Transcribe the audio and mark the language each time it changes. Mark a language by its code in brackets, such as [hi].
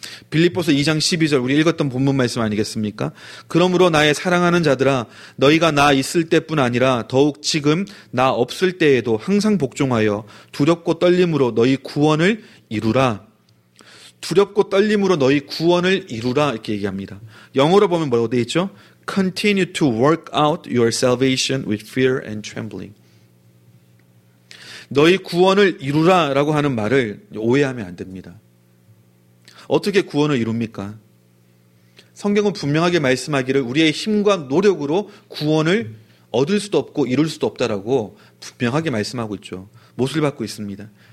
[ko] 빌립보서 2장 12절 우리 읽었던 본문 말씀 아니겠습니까? 그러므로 나의 사랑하는 자들아, 너희가 나 있을 때뿐 아니라 더욱 지금 나 없을 때에도 항상 복종하여 두렵고 떨림으로 너희 구원을 이루라. 두렵고 떨림으로 너희 구원을 이루라, 이렇게 얘기합니다. 영어로 보면 뭐라고 되어 있죠? [en] Continue to work out your salvation with fear and trembling. [ko] 너희 구원을 이루라 라고 하는 말을 오해하면 안 됩니다. 어떻게 구원을 이룹니까? 성경은 분명하게 말씀하기를 우리의 힘과 노력으로 구원을 얻을 수도 없고 이룰 수도 없다라고 분명하게 말씀하고 있죠. 못을 받고 있습니다.